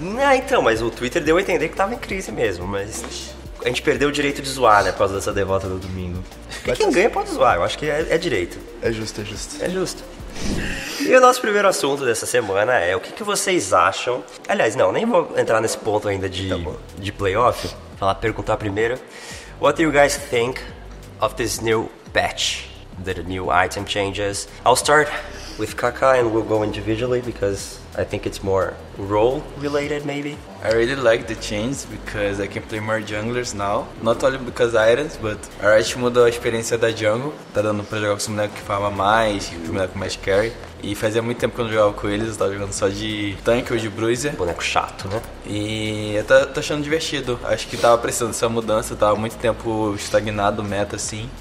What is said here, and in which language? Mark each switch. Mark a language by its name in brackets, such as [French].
[Portuguese] Ah, então, mas o Twitter deu a entender que tava em crise mesmo, mas a gente perdeu o direito de zoar, né, por causa dessa derrota do domingo. E quem ganha pode zoar, eu acho que é direito. É justo, é justo. É justo. E o nosso primeiro assunto dessa semana é o que vocês acham... Aliás, não, nem vou entrar nesse ponto ainda de playoff. Falar, perguntar primeiro. [English] What do you guys think of this new patch, the new item changes? I'll start with Kaká and we'll go individually because I think it's more role related maybe. I really like the change because I can play more junglers now. Not only because items, but [Portuguese] a Riot mudou a experiência da jungle. Tá dando pra jogar com esse boneco que farma mais, com esse boneco com mais carry. E fazia muito tempo que eu não jogava com eles, eu tava jogando só de tank ou de bruiser. Boneco chato, né? E eu tô achando divertido. Acho que tava precisando dessa mudança, tava muito tempo estagnado, meta assim.